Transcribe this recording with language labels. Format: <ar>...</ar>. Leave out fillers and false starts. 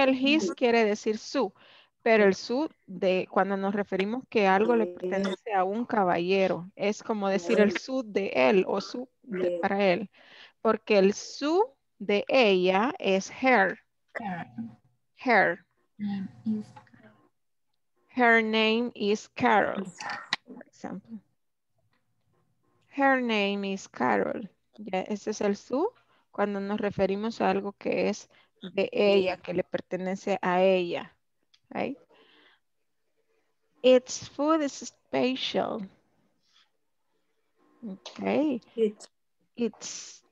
<es>Aquí el his quiere decir su, pero el su de cuando nos referimos que algo le pertenece a un caballero, es como decir el su de él o su de para él, porque el su de ella es her.</es> <en>Her. Her name is Carol, for example. Her name is Carol.</en> <es>Yeah, ese es el su cuando nos referimos a algo que es de ella, que le pertenece a ella.</es> <en>Right? Its food is special. Okay. It's.</en>